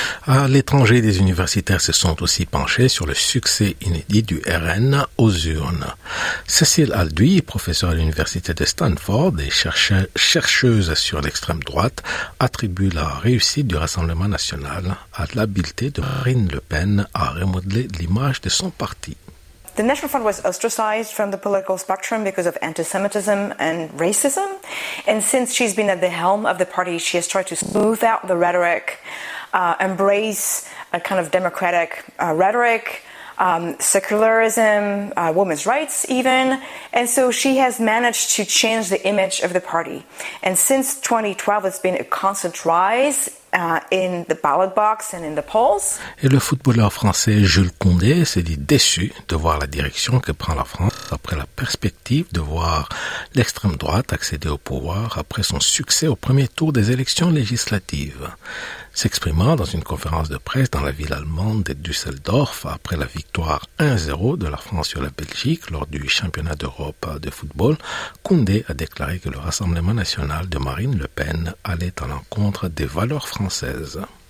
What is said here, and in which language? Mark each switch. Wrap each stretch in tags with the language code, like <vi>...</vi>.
<fr>À l'étranger, des universitaires se sont aussi penchés sur le succès inédit du RN aux urnes. Cécile Alduy, professeure à l'université de Stanford et chercheuse sur l'extrême droite, attribue la réussite du Rassemblement national à l'habileté de Marine Le Pen à remodeler l'image de son parti.</fr> <en>The National Front was ostracized from the political spectrum because of anti-Semitism and racism. And since she's been at the helm of the party, she has tried to smooth out the rhetoric, embrace a kind of democratic rhetoric, secularism, women's rights even. And so she has managed to change the image of the party. And since 2012, it's been a constant rise in the ballot box and in the polls.</en> <fr>Et le footballeur français Jules Koundé s'est dit déçu de voir la direction que prend la France après la perspective de voir l'extrême droite accéder au pouvoir après son succès au premier tour des élections législatives. S'exprimant dans une conférence de presse dans la ville allemande de Düsseldorf après la victoire 1-0 de la France sur la Belgique lors du championnat d'Europe de football, Koundé a déclaré que le Rassemblement national de Marine Le Pen allait à l'encontre des valeurs françaises.</fr>